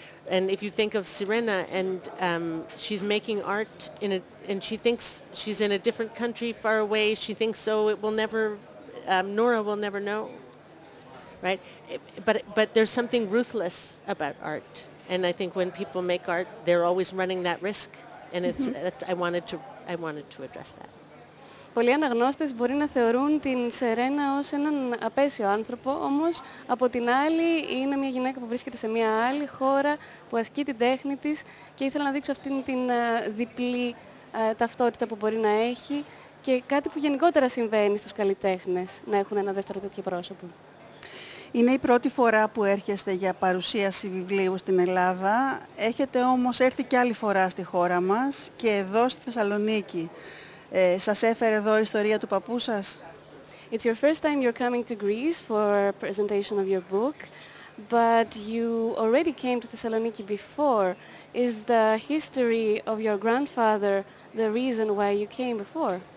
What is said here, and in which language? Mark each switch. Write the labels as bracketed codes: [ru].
[en] And if you think of Sirena, and she's making art and she thinks she's in a different country, far away. She thinks so. It will never. Nora will never know. Right, but there's something ruthless about art, and I think when people make art, they're always running that risk, and it's I wanted to address that. [el] πολλοί αναγνώστες μπορεί να θεωρούν την Σερένα ως έναν απέσιο άνθρωπο, όμως από την άλλη είναι μια γυναίκα που βρίσκεται σε μια άλλη χώρα, που ασκεί την τέχνη της και ήθελα να δείξω αυτήν την διπλή ταυτότητα που μπορεί να έχει και κάτι που γενικότερα συμβαίνει στους καλλιτέχνες να έχουν ένα δεύτερο τέτοιο πρόσωπο. Είναι η πρώτη φορά που έρχεστε για παρουσίαση βιβλίου στην Ελλάδα. Έχετε όμως έρθει και άλλη φορά στη χώρα μας και εδώ στη Θεσσαλονίκη. Σας έφερε εδώ η ιστορία του παππού σας. [en] It's your first time you're coming to Greece for a presentation of your book, but you already came to Thessaloniki before. Is the history of your grandfather the reason why you came before?